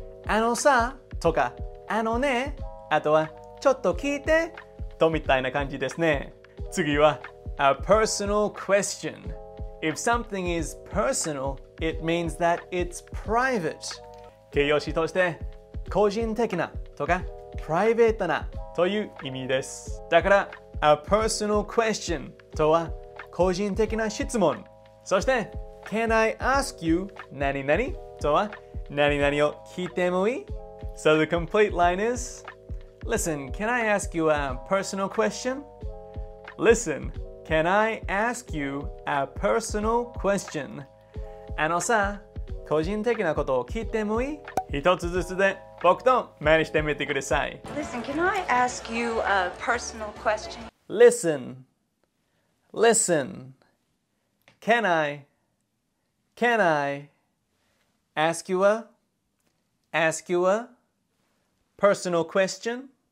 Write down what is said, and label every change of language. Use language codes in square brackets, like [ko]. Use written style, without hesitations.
[ja] あのさとか、あのね、あとはちょっと聞いてとみたいな感じですね。次は、 [en] a personal question. If something is personal, it means that it's private. [ja] 形容詞として、個人的なとか、プライベートなという意味です。だから、 [en] a personal question [ja] とは、個人的な質問。そして、 [en] can I ask you [ja] 何々とは、何々を聞いてもいい? [en] So the complete line is, Listen, can I ask you a personal question? Listen. Can I ask you a personal question? [ja] あのさ、個人的なことを聞いてもいい?一つずつで僕と真似してみてください。 [en] Listen, can I ask you a personal question? Listen. Listen. Can I ask you a personal question?